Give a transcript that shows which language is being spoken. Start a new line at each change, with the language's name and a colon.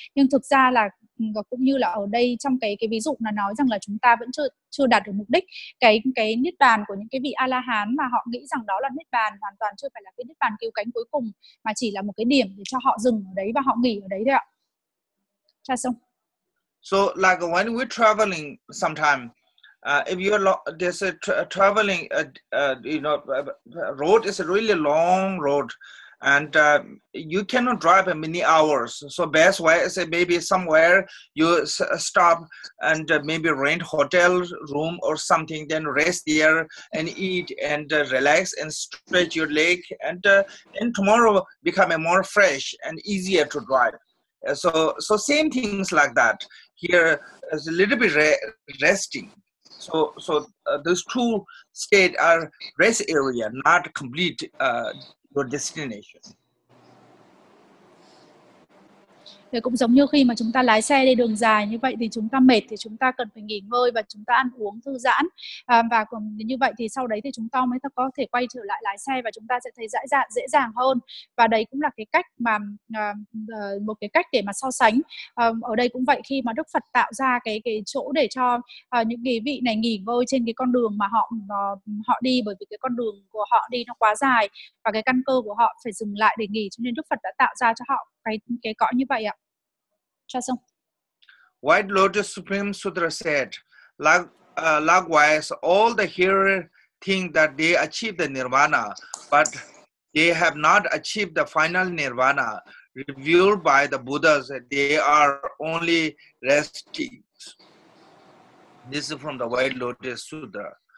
Vietnamese: Nhưng thực ra là cũng như là ở đây trong cái ví dụ là nói rằng là chúng ta vẫn chưa đạt được mục đích. Cái niết bàn của những cái vị A-la-hán mà họ nghĩ rằng đó là niết bàn hoàn toàn chưa phải là cái niết bàn cứu cánh cuối cùng, mà chỉ là một cái điểm để cho họ dừng ở đấy và họ nghỉ ở đấy thôi ạ. Cha xong.
English: So like when we're traveling sometime, if you're there's a traveling, road is a really long road, and you cannot drive many hours. So best way is maybe somewhere you stop and maybe rent hotel room or something, then rest there and eat and relax and stretch your leg, and tomorrow become a more fresh and easier to drive. So same things like that. Here is a little bit resting. So those two state are rest area, not complete your destination.
Vietnamese: Thì cũng giống như khi mà chúng ta lái xe đi đường dài như vậy thì chúng ta mệt thì chúng ta cần phải nghỉ ngơi và chúng ta ăn uống thư giãn. Và còn như vậy thì sau đấy thì chúng ta mới có thể quay trở lại lái xe và chúng ta sẽ thấy dễ dàng hơn. Và đấy cũng là cái cách mà một cái cách để mà so sánh. Ở đây cũng vậy, khi mà Đức Phật tạo ra cái chỗ để cho những cái vị này nghỉ ngơi trên cái con đường mà họ đi, bởi vì cái con đường của họ đi nó quá dài và cái căn cơ của họ phải dừng lại để nghỉ, cho nên Đức Phật đã tạo ra cho họ cái cõi như vậy ạ. Cho xong.
English: White Lotus Supreme Sutra said, likewise, all the hearers think that they achieved the nirvana, but they have not achieved the final nirvana revealed by the Buddhas. They are only resting. This is from the White Lotus Sutra.